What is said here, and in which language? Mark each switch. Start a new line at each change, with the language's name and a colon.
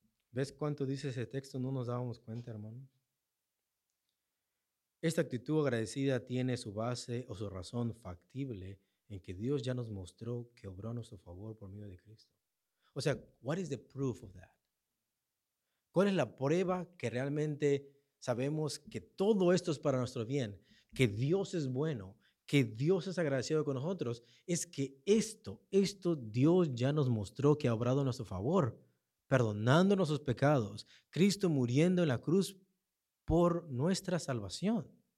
Spanish: ¿Ves cuánto dice ese texto? No nos dábamos cuenta, hermano. Esta actitud agradecida tiene su base o su razón factible en que Dios ya nos mostró que obró a nuestro favor por medio de Cristo. O sea,
English: what is the proof of that?
Spanish: ¿Cuál es la prueba que realmente sabemos que todo esto es para nuestro bien? Que Dios es bueno, que Dios es agradecido con nosotros, es que esto Dios ya nos mostró que ha obrado a nuestro favor, perdonando nuestros pecados, Cristo muriendo en la cruz por nuestra salvación.